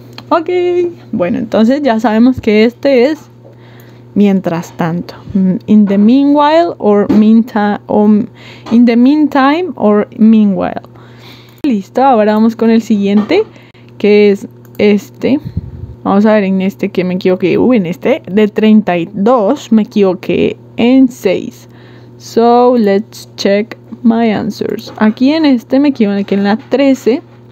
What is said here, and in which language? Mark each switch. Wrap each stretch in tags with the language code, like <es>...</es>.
<es>Ok, bueno, entonces ya sabemos que este es mientras tanto.</es> <en>In the meanwhile or meantime, o in the meantime or meanwhile.</en> <es>Listo, ahora vamos con el siguiente, que es este. Vamos a ver en este que me equivoqué. En este de 32 me equivoqué en 6.</es> <en>So, let's check my answers.</en> <es>Aquí en este me equivoqué en la 13.</es>